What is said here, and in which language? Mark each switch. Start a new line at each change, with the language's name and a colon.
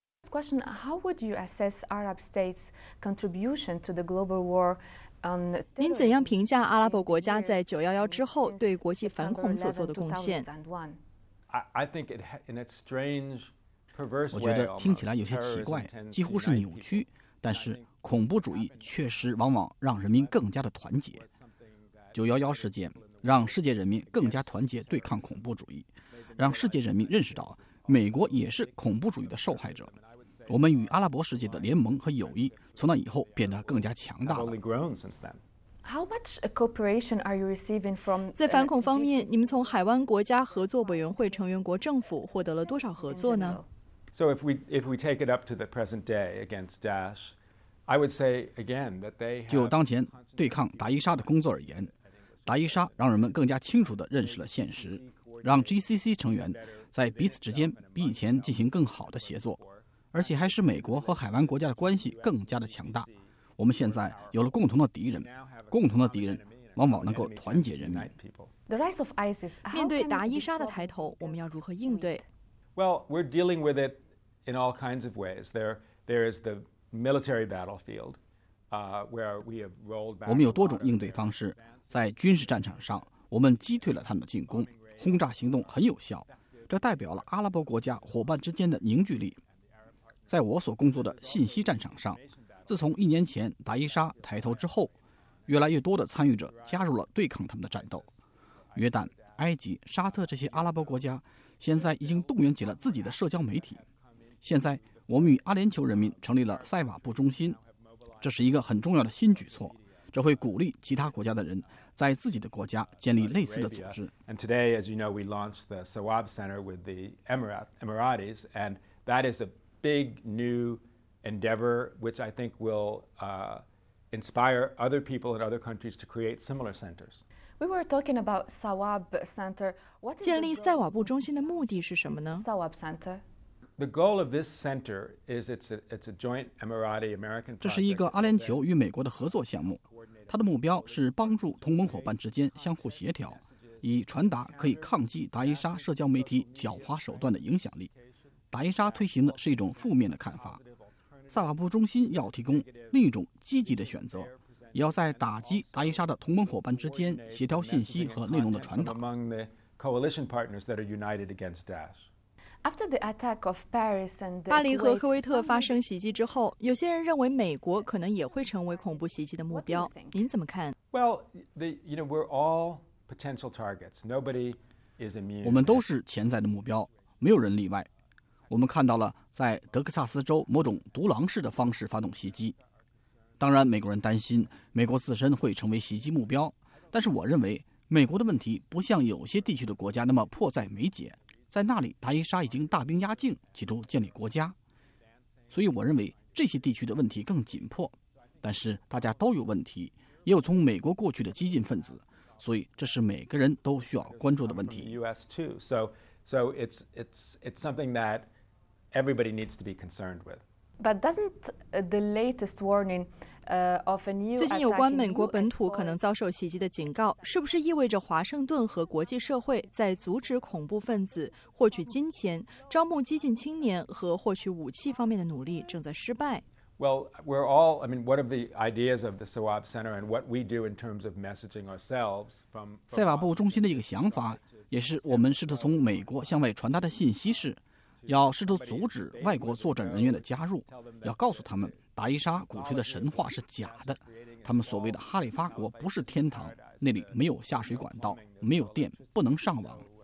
English: Question: How would you assess Arab states' contribution to the global war?
Chinese: 您怎样评价阿拉伯国家在911之后对国际反恐所做的贡献？
English: I think it in a strange, perverse way.
Chinese: 我觉得听起来有些奇怪，几乎是扭曲。但是恐怖主义确实往往让人民更加的团结。 911事件让世界人民更加团结对抗恐怖主义，让世界人民认识到美国也是恐怖主义的受害者。我们与阿拉伯世界的联盟和友谊从那以后变得更加强大了。在反恐方面，你们从海湾国家合作委员会成员国政府获得了多少合作呢？
English: So if we take it up to the present day against Daesh, I would say again that they
Chinese: 就当前对抗达伊沙的工作而言，达伊沙让人们更加清楚地认识了现实，让 GCC 成员在彼此之间比以前进行更好的协作，而且还使美国和海湾国家的关系更加的强大。我们现在有了共同的敌人，共同的敌人往往能够团结人民。
English: The rise of ISIS,
Chinese: 面对达伊沙的抬头，我们要如何应对？
English: Well, we're dealing with it in all kinds of ways. There is the military battlefield, where we have rolled back.
Chinese: 我们有多种应对方式。在军事战场上，我们击退了他们的进攻，轰炸行动很有效，这代表了阿拉伯国家伙伴之间的凝聚力。在我所工作的信息战场上，自从一年前达伊沙抬头之后，越来越多的参与者加入了对抗他们的战斗。约旦、埃及、沙特这些阿拉伯国家现在已经动员起了自己的社交媒体。现在我们与阿联酋人民成立了塞瓦布中心，这是一个很重要的新举措，这会鼓励其他国家的人在自己的国家建立类似的组织。
English: And today, as you know, we launched the Sawab Center with the Emiratis, and that is a big new endeavor, which I think will inspire other people in other countries to create similar centers. We were talking about Sawab Center. What
Chinese: 建立塞瓦布中心的目的是什么呢
English: ？Sawab Center. The goal of this center is it's a joint Emirati American project.
Chinese: 这是一个阿联酋与美国的合作项目。它的目标是帮助同盟伙伴之间相互协调，以传达可以抗击达伊沙社交媒体狡猾手段的影响力。达伊沙推行的是一种负面的看法，萨瓦布中心要提供另一种积极的选择，也要在打击达伊沙的同盟伙伴之间协调信息和内容的传达。
English: Among the coalition partners that are united against Daesh. After the attack of Paris and the
Chinese: 巴黎和科威特发生袭击之后，有些人认为美国可能也会成为恐怖袭击的目标。您怎么看
English: ？Well, you know, we're all potential targets. Nobody is immune.
Chinese: 我们都是潜在的目标，没有人例外。我们看到了在德克萨斯州某种独狼式的方式发动袭击。当然，美国人担心美国自身会成为袭击目标，但是我认为美国的问题不像有些地区的国家那么迫在眉睫。在那里，达伊沙已经大兵压境，企图建立国家，所以我认为这些地区的问题更紧迫。但是大家都有问题，也有从美国过去的激进分子，所以这是每个人都需要关注的问题。
English: So it's something that everybody needs to be concerned with. But doesn't the latest warning of a new
Chinese: 最近有关美国本土可能遭受袭击的警告，是不是意味着华盛顿和国际社会在阻止恐怖分子获取金钱、招募激进青年和获取武器方面的努力正在失败
English: ？Well, we're all. I mean, one of the ideas of the Sawab Center and what we do in terms of messaging ourselves from
Chinese: 塞瓦布中心的一个想法。也是我们试图从美国向外传达的信息是，要试图阻止外国作战人员的加入，要告诉他们达伊沙鼓吹的神话是假的，他们所谓的哈里发国不是天堂，那里没有下水管道，没有电，不能上网。